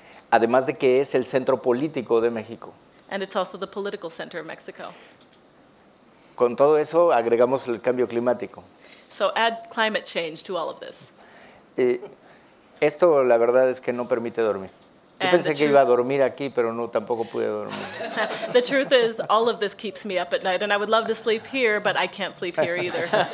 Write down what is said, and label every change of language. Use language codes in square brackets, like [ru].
[es] Además de que es el centro político de México. [en] And it's also the political center of Mexico. [es] Con todo eso agregamos el cambio climático. [en] So add climate change to all of this. [es] Esto la verdad es que no permite dormir. Yo pensé que iba a dormir aquí, pero no, tampoco pude dormir. [en] The truth is, all of this keeps me up at night, and I would love to sleep here, but I can't sleep here either.